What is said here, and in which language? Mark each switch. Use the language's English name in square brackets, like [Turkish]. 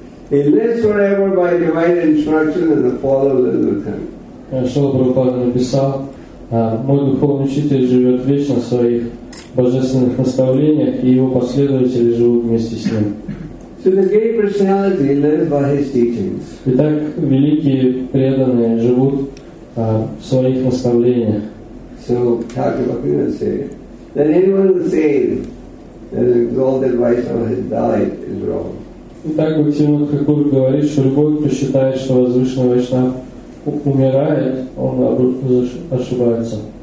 [English] He lives forever by divine instruction and the followers of him. [Russian] Шрила Прабхупада написал, мой духовный учитель живет вечно в своих божественных наставлениях, и его последователи живут вместе с ним. [English] So the great personality lives by his teachings. [Russian] Итак, великие преданные живут в своих наставлениях. [English] So Thakur Bhaktivinoda said that anyone who says that the exalted Vaishnava has died is wrong. [Russian] Итак, Бхактивинода Тхакур говорит, что любой, кто считает, что возвышенный Вайшнав умирает, он ошибается.